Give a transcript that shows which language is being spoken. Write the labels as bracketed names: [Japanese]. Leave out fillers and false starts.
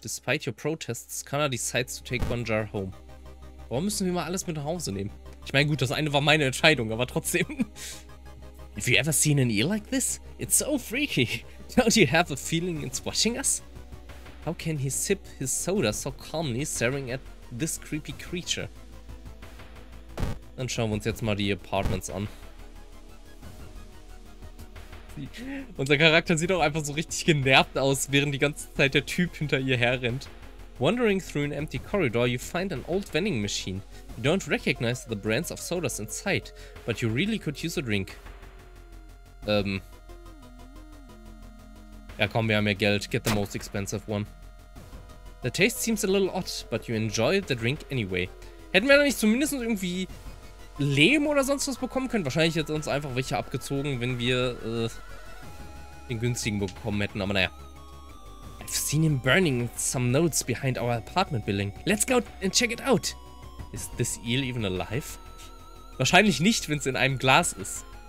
[English] Despite your protests, Kana decides to take one jar home. [German] Warum müssen wir mal alles mit nach Hause nehmen? Ich meine, gut, das eine war meine Entscheidung, aber trotzdem. [English] Have you ever seen an eel like this? It's so freaky. Don't you have a feeling it's watching us? How can he sip his soda so calmly, staring at this creepy creature? [German] Dann schauen wir uns jetzt mal die Apartments an. Unser Charakter sieht auch einfach so richtig genervt aus, während die ganze Zeit der Typ hinter ihr herrennt. [English] Wandering through an empty corridor, you find an old vending machine. You don't recognize the brands of sodas inside, but you really could use a drink. [German] Ja komm, wir haben ja Geld. [English] Get the most expensive one. The taste seems a little odd, but you enjoy the drink anyway. [German] Hätten wir da nicht zumindest irgendwie Lehm oder sonst was bekommen können? Wahrscheinlich hätte uns einfach welche abgezogen, wenn wir den günstigen bekommen hätten, aber naja. [English] I've seen him burning some notes behind our apartment building. Let's go and check it out. Is this eel even alive? [German] Wahrscheinlich nicht, wenn es in einem Glas ist.